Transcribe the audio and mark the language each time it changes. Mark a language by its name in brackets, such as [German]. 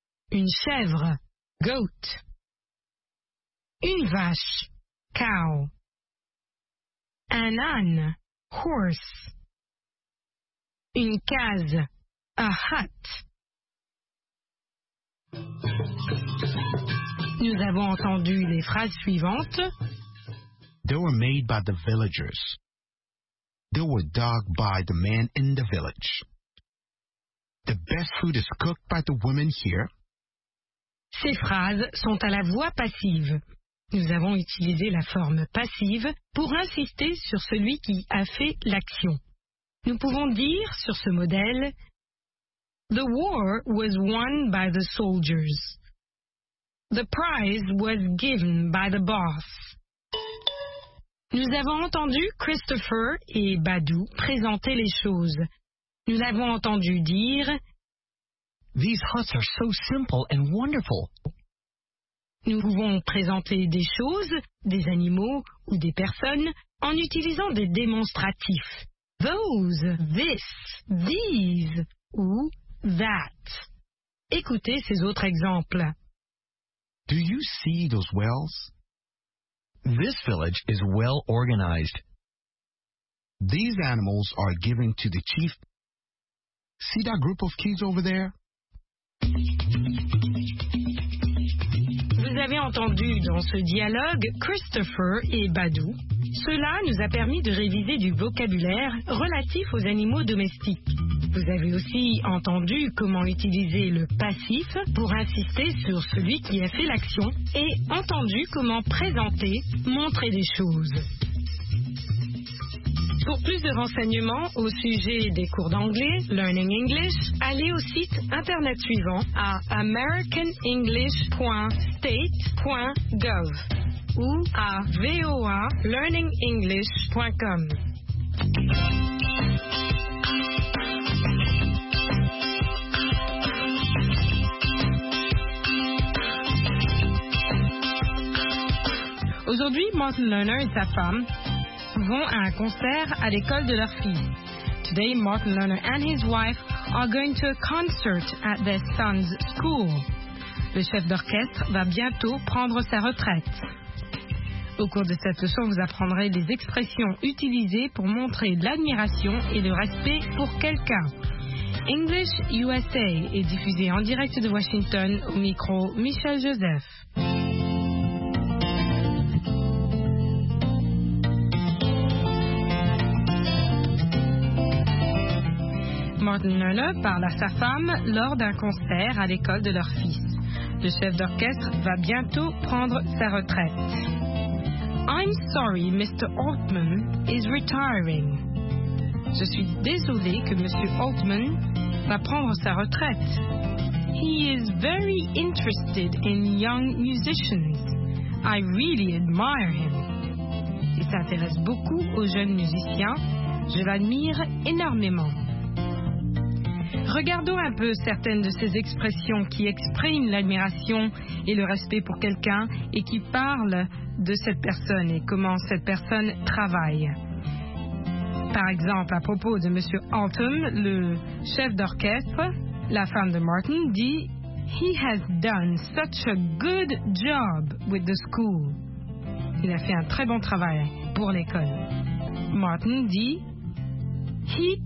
[French] Une chèvre, [English] goat. [French] Une vache, [English] cow. [French] Un âne, [English] horse. [French] Une case, [English] a hut. [French] Nous avons entendu les phrases suivantes. [English] They were made by the villagers. They were dug by the man in the village. The best food is cooked by the women here. [French] Ces phrases sont à la voix passive. Nous avons utilisé la forme passive pour insister sur celui qui a fait l'action. Nous pouvons dire sur ce modèle, [English] The war was won by the soldiers. The prize was given by the boss. [French] Nous avons entendu Christopher et Badou présenter les choses. Nous l'avons entendu dire, [English] These huts are so simple and wonderful. [French] Nous pouvons présenter des choses, des animaux ou des personnes en utilisant des démonstratifs. [English] Those, this, these [French] ou [English] that. [French] Écoutez ces autres exemples. [English] Do you see those wells? This village is well organized. These animals are given to the chief. See that group of kids over there? [French] Vous avez entendu dans ce dialogue Christopher et Badou. Cela nous a permis de réviser du vocabulaire relatif aux animaux domestiques. Vous avez aussi entendu comment utiliser le passif pour insister sur celui qui a fait l'action et entendu comment présenter, montrer des choses. Pour plus de renseignements au sujet des cours d'anglais, Learning English, allez au site internet suivant à americanenglish.state.gov ou à voalearningenglish.com. Aujourd'hui, Martin Lerner et sa femme vont à un concert à l'école de leur fille. [English] Today, Martin Lerner and his wife are going to a concert at their son's school. [French] Le chef d'orchestre va bientôt prendre sa retraite. Au cours de cette leçon, vous apprendrez des expressions utilisées pour montrer de l'admiration et le respect pour quelqu'un. English USA est diffusé en direct de Washington au micro Michel Joseph. Martin Lerner parle à sa femme lors d'un concert à l'école de leur fils. Le chef d'orchestre va bientôt prendre sa retraite. [English] I'm sorry, Mr. Altman is retiring. [French] Je suis désolé que Monsieur Altman va prendre sa retraite. [English] He is very interested in young musicians. I really admire him. [French] Il s'intéresse beaucoup aux jeunes musiciens. Je l'admire énormément. Regardons un peu certaines de ces expressions qui expriment l'admiration et le respect pour quelqu'un et qui parlent de cette personne et comment cette personne travaille. Par exemple, à propos de M. Altman, le chef d'orchestre, la femme de Martin, dit « [English] He has done such a good job with the school. [French] » Il a fait un très bon travail pour l'école. Martin dit [English] « He takes young people » who aren't very interested